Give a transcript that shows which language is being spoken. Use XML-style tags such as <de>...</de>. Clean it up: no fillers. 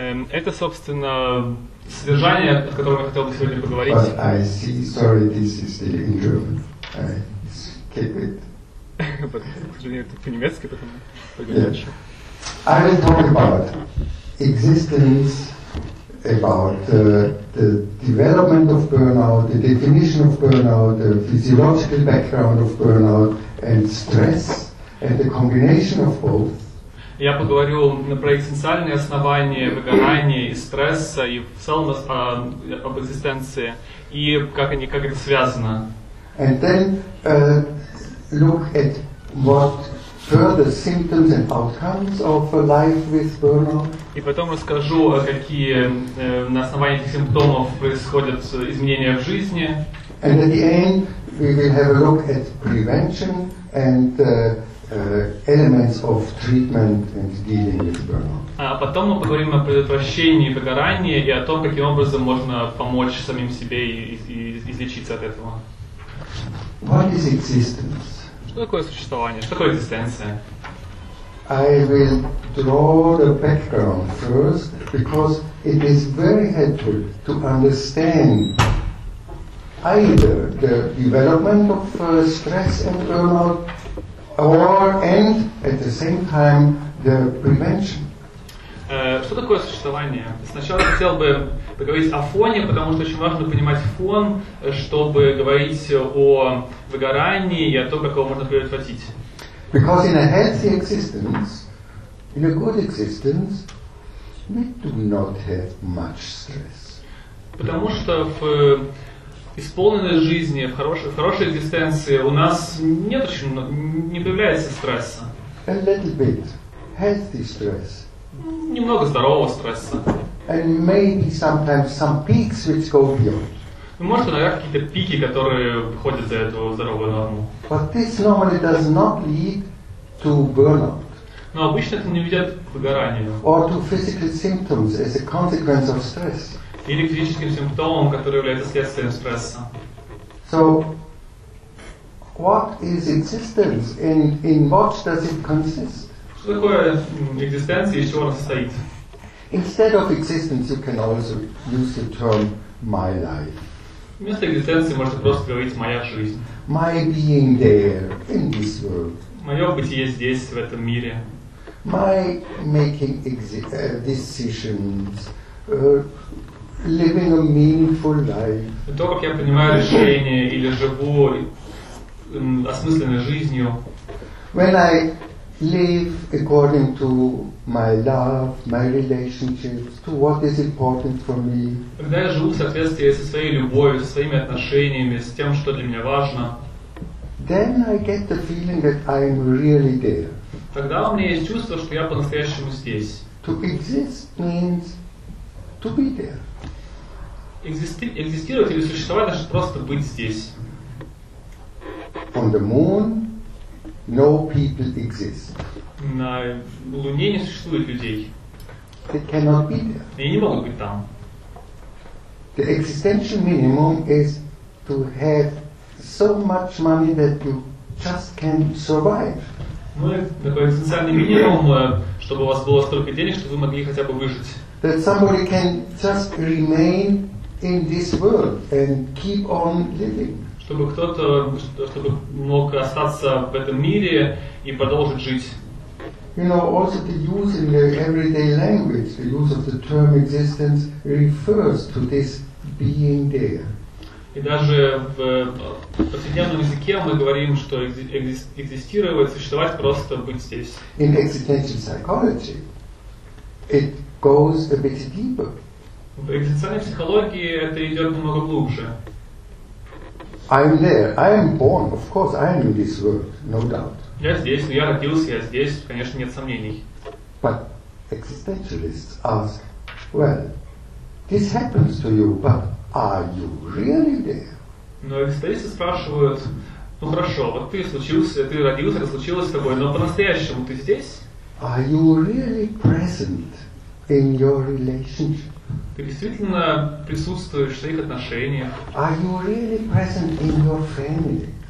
<ru>Это, собственно, содержание, о котором я хотел бы сегодня поговорить.</ru> <en>But I see, sorry, this is still in German. I skip it.</en> <ru>По-немецки, потом поговорим.</ru> <en>I will talk about existence, about the development of burnout, the definition of burnout, the physiological background of burnout, and stress, and the combination of both.</en> <ru>Я поговорю про экзистенциальные основания выгорания и стресса, и в целом об экзистенции, и как это связано.</ru> <en>And then look at what further symptoms and outcomes of a life with burnout.</en> <ru>И потом расскажу, какие на основании этих симптомов происходят изменения в жизни.</ru> <en>And at the end, we will have a look at prevention and elements of treatment and dealing with burnout.</en> <ru>А потом мы поговорим о предотвращении выгорания и о том, каким образом можно помочь самим себе и излечиться от этого.</ru> <en>What is existence?</en> <ru>Что такое существование? Что такое экзистенция?</ru> <en>I will draw the background first, because it is very helpful to understand either the development of stress and burnout, or and at the same time the prevention.</en> <ru>Что такое существование? Сначала я хотел бы поговорить о фоне, потому что очень важно понимать фон, чтобы говорить о выгорании и о том, как его можно предотвратить.</ru> <en>Because in a healthy existence, in a good existence, we do not have much stress.</en> <ru>Потому что в исполненной жизни, в хорошей экзистенции у нас нет очень много, не появляется стресса.</ru> <en>A little bit healthy stress.</en> <ru>Немного здорового стресса.</ru> <en>And maybe sometimes some peaks which go beyond.</en> <ru>Ну, может, иногда какие-то пики, которые выходят за эту здоровую норму.</ru> <en>But this normally does not lead to burnout.</en> <ru>Но обычно это не ведет к выгоранию.</ru> <en>Or to physical symptoms as a consequence of stress.</en> <ru>Или к физическим симптомам, которые являются следствием стресса.</ru> <en>So, what is existence and in what does it consist?</en> <ru>Что такое экзистенция и из чего она состоит?</ru> <en>Instead of existence, you can also use the term my life.</en> <ru>Вместо экзистенции можно просто говорить «моя жизнь».</ru> <en>My being there in this world.</en> <ru>Мое бытие здесь, в этом мире.</ru> <en>My making decisions. Living a meaningful life.</en> <ru>То, как я принимаю решения или живу осмысленной жизнью.</ru> <en>When I live according to my love, my relationships, to what is important for me.</en> <ru>Когда я живу в соответствии со своей любовью, со своими отношениями, с тем, что для меня важно.</ru> <en>Then I get the feeling that I am really there.</en> <ru>Тогда у меня есть чувство, что я по-настоящему здесь.</ru> <en>To exist means to be there.</en> <ru>Экзистировать или существовать, значит просто быть здесь.</ru> <en>On the moon, no people exist.</en> <ru>На Луне не существует людей.</ru> <en>They cannot be there.</en> <ru>И они не могут быть там.</ru> <en>The existential minimum is to have so much money that you just can survive.</en> <ru>Ну, такой экзистенциальный минимум, чтобы у вас было столько денег, чтобы вы могли хотя бы выжить.</ru> <en>That somebody can just remain in this world and keep on living.</en> <ru>Чтобы кто-то, чтобы мог остаться в этом мире и продолжить жить.</ru> <en>You know, also the use in the everyday language, the use of the term existence refers to this being there.</en> <ru>И даже в повседневном языке мы говорим, что экзистировать, существовать, просто быть здесь.</ru> <en>In existential psychology, it goes a bit deeper.</en> <ru>В экзистенциальной психологии это идет намного глубже.</ru> <en>I'm there. I am born. Of course, I am in this world, no doubt.</en> <ru>Я здесь, я родился, я здесь, конечно, нет сомнений.</ru> <en>But existentialists ask, well, this happens to you, but are you really there?</en> <ru>Но экзистенциалисты спрашивают, ну хорошо, вот ты случился, ты родился, это случилось с тобой, но по-настоящему ты здесь?</ru> <en>Are you really present in your relationship?</en> <ru>Ты действительно присутствуешь в своих отношениях?</ru> <en>Are you really present in your family?</en>